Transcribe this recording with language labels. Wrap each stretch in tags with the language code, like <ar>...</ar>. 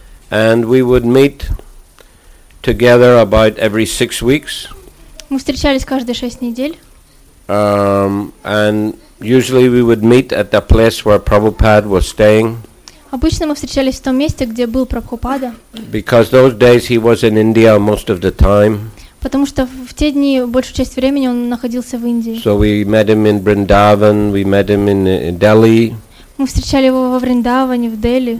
<en>And we would meet together about every 6 weeks.</en> <ru>Мы встречались каждые 6 недель.</ru> <en>And usually we would meet at the place where Prabhupada was staying.</en> <ru>Обычно мы встречались в том месте, где был Прабхупада.</ru> <en>Because those days he was in India most of the time.</en> <ru>Потому что в те дни большую часть времени он находился в Индии.</ru> <en>So we met him in Vrindavan, we met him in Delhi.</en> <ru>Мы встречали его во Вриндаване, в Дели.</ru>